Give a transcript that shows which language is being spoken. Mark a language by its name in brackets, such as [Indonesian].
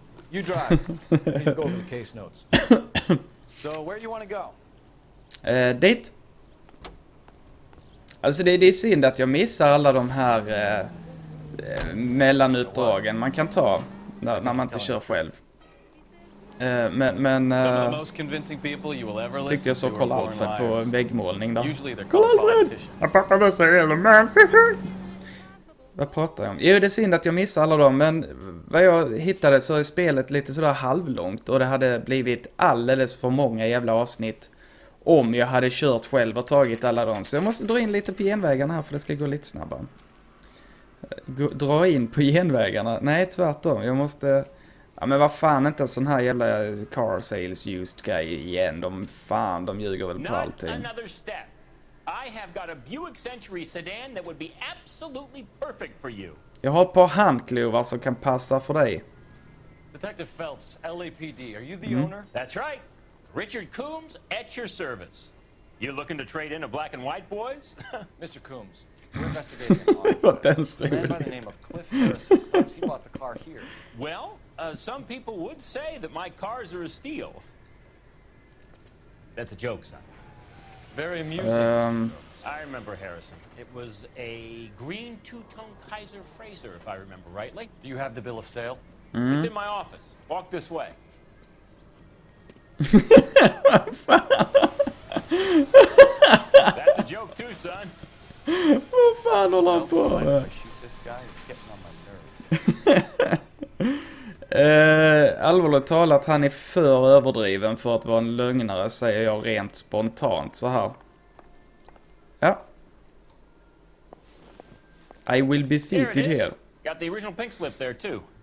[English] You drive. Need to go over the case notes. So where you want to go? [Swedish] Dit. Alltså det är synd att jag missar alla de här mellanuppdragen man kan ta när man inte kör själv. [English] Some of the most convincing people you will ever listen to are born liars. Usually they're called politicians. [Swedish] I pratar med sig eller man. Vad pratar jag om? Jo, det är synd att jag missar alla dem, men vad jag hittade så är spelet lite sådär halvlångt och det hade blivit alldeles för många jävla avsnitt om jag hade kört själv och tagit alla dem. Så jag måste dra in lite på genvägarna här för det ska gå lite snabbare. Dra in på genvägarna? Nej, tvärtom. Jag måste... Ja, men vad fan, inte en sån här jävla [English] car sales used guy [Swedish] igen. De ljuger väl på allting. [English] Not another step. I have got a Buick Century sedan that would be absolutely perfect for you. [Swedish] Jag har ett par handklovar som kan passa för dig. [English] Detective Phelps, LAPD, are you the owner? That's right. Richard Coombs at your service. You looking to trade in a black and white, boys? Mr. Coombs, we're investigating an auto. A man by the name of Cliff Harrison claims he bought the car here. Well... some people would say that my cars are a steal. That's a joke, son. Very amusing. I remember Harrison. It was a green two-tone Kaiser Fraser, if I remember rightly. Do you have the bill of sale? It's in my office. Walk this way. That's a joke too, son. [Swedish] Vad fan håller han på med? [English] Shoot, this guy is getting on my nerves. [Swedish] Allvarligt talat, han är för överdriven för att vara en lögnare, säger jag rent spontant så här. Ja. [English] I will be seated here. Got the original pink slip there too.